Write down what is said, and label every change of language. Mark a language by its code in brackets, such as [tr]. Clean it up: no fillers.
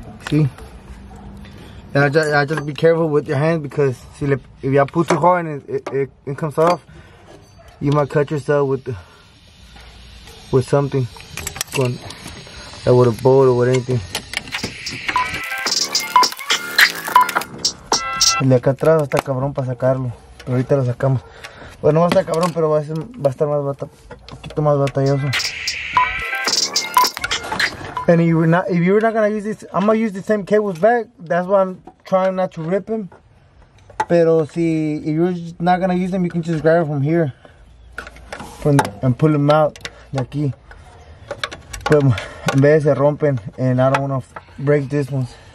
[en] See? And I just be careful with your hand, because see, if y'all pull too hard and it comes off, you might cut yourself with something, with a bolt or with anything. [es] El de acá atrás está cabrón para sacarlo, pero ahorita lo sacamos. Bueno, va a estar cabrón, pero va a estar más batalloso. [en] And if you're not gonna use this, I'm gonna use the same cables back. That's why I'm trying not to rip them. [es] Pero si, [en] if you're not gonna use them, you can just grab it from here. From the, and pull them out [es] de aquí. [en] But [es] en vez se rompen, [en] and I don't wanna break this one.